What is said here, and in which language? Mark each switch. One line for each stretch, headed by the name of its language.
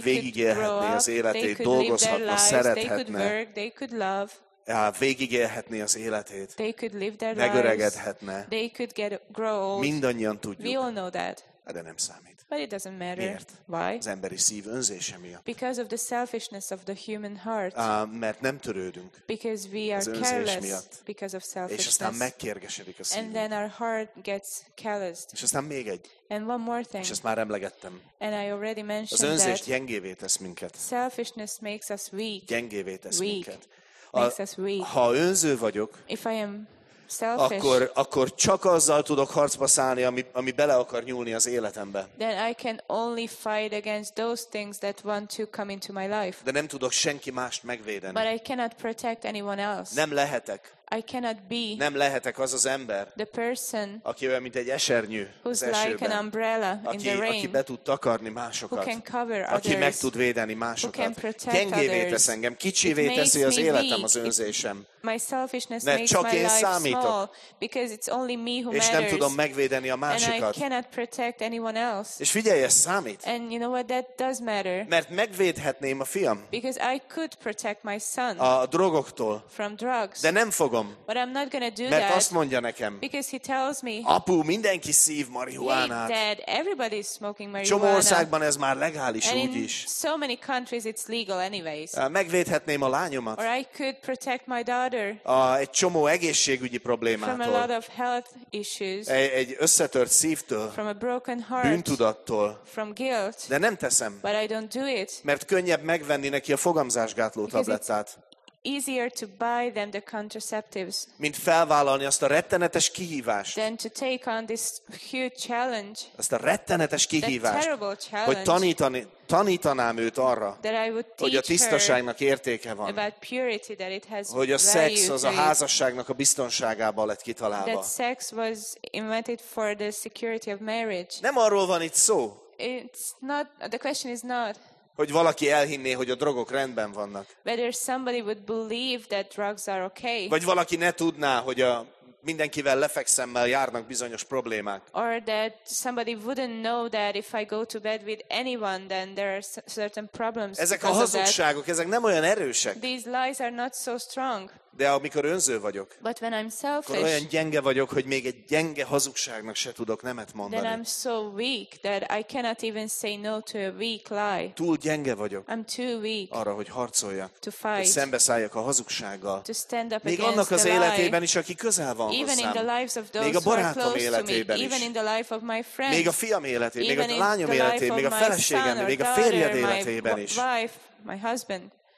Hungarian: végigélhetné
English: could grow
Hungarian: az életét,
English: they could
Hungarian: dolgozhatna,
English: live their lives,
Hungarian: szerethetne.
English: They could work, they could love.
Hungarian: Ja, végigélhetné az életét.
English: They could live their
Hungarian: megöregedhetne.
English: Lives, they could get, grow old.
Hungarian: Mindannyian tudjuk.
English: We all know that.
Hungarian: De nem számít.
English: But it doesn't matter.
Hungarian: Miért?
English: Why?
Hungarian: Az emberi szív önzése miatt.
English: Because of the selfishness of the human heart.
Hungarian: Mert nem törődünk.
English: Because we are
Hungarian: az
English: careless.
Hungarian: Miatt.
English: Because of selfishness.
Hungarian: És aztán megkérgesedik a szív.
English: And then our heart gets calloused.
Hungarian: És aztán még egy.
English: And one more thing.
Hungarian: És ezt már emlegettem.
English: And I already mentioned that.
Hungarian: Az önzés gyengévé tesz minket.
English: Selfishness makes us weak.
Hungarian: Gyengévé tesz
English: weak.
Hungarian: Minket.
English: Makes us weak.
Hungarian: Ha önző vagyok.
English: If I am selfish,
Hungarian: akkor csak azzal tudok harcba szállni, ami bele akar nyúlni az életembe.
English: Then I can only fight against those things that want to come into my life.
Hungarian: De nem tudok senki mást megvédeni.
English: But I cannot protect anyone else.
Hungarian: Nem lehetek.
English: I cannot be.
Hungarian: Nem lehetek az az ember.
English: The person.
Hungarian: Aki olyan, mint egy esernyő.
English: Who's like an umbrella in the rain.
Hungarian: Aki be tud takarni másokat.
English: Who can cover others.
Hungarian: Aki meg tud védeni másokat.
English: Who can protect others.
Hungarian: Gyengévé tesz engem, kicsivé teszi az életem, az önzésem.
English: My selfishness makes my life small because it's only me who matters.
Hungarian: És nem tudom megvédeni a másikat.
English: And I cannot protect anyone else.
Hungarian: És figyelj, ez számít.
English: And you know what? That does matter.
Hungarian: Mert megvédhetném a fiam.
English: Because I could protect my son.
Hungarian: A drogoktól.
English: From drugs.
Hungarian: De nem fogom.
English: But I'm not gonna do
Hungarian: mert
English: that.
Hungarian: Mert azt mondja nekem.
English: Because he tells me.
Hungarian: Apu, mindenki szív marihuánát.
English: Dad, everybody is smoking marijuana.
Hungarian: Csomó országban ez már legális
English: and
Hungarian: úgy is.
English: In so many countries it's legal anyways.
Hungarian: Megvédhetném a lányomat.
English: Or I could protect my daughter.
Hungarian: Egy csomó egészségügyi problémától,
English: from a lot of health issues,
Hungarian: egy összetört szívtől,
English: from a broken heart,
Hungarian: bűntudattól,
English: from guilt,
Hungarian: de nem teszem,
English: but I don't do it,
Hungarian: mert könnyebb megvenni neki a fogamzásgátló tablettát,
English: easier to buy them the contraceptives,
Hungarian: mint felvállalni azt a rettenetes kihívást,
English: than to take on this huge challenge,
Hungarian: azt a rettenetes kihívást,
English: that terrible challenge,
Hungarian: hogy tanítanám őt arra, hogy a tisztaságnak értéke van,
English: purity, that it has
Hungarian: hogy a szex az a házasságnak a biztonságába lett kitalálva.
English: That sex was invented for the security of marriage.
Hungarian: Nem arról van itt szó.
English: It's not, the question is not,
Hungarian: hogy valaki elhinné, hogy a drogok rendben vannak.
English: Whether somebody would believe that drugs are okay.
Hungarian: Vagy valaki ne tudná, hogy a mindenkivel lefekszemmel járnak bizonyos problémák.
English: Or that somebody wouldn't know that if I go to bed with anyone, then there are certain problems.
Hungarian: Ezek a hazugságok, ezek nem olyan erősek.
English: These lies are not so strong.
Hungarian: De amikor önző vagyok,
English: but when I'm selfish,
Hungarian: akkor olyan gyenge vagyok, hogy még egy gyenge hazugságnak se tudok nemet mondani.
English: Then I'm so weak that I cannot even say no to a weak lie.
Hungarian: Túl gyenge vagyok.
English: I'm too weak.
Hungarian: Arra, hogy harcoljak.
English: To fight.
Hungarian: Hogy szembeszálljak a hazugsággal.
English: To stand up
Hungarian: még annak az
English: the
Hungarian: életében
English: lie,
Hungarian: is, aki közel van
English: even
Hungarian: hozzám.
English: In the lives of those
Hungarian: még a barátom életében
English: me,
Hungarian: is.
English: Even in the life of my friends,
Hungarian: még a fiam életében,
English: even
Hungarian: még a lányom életében, még a feleségem, még a férjed életében is.
English: Wife, my husband.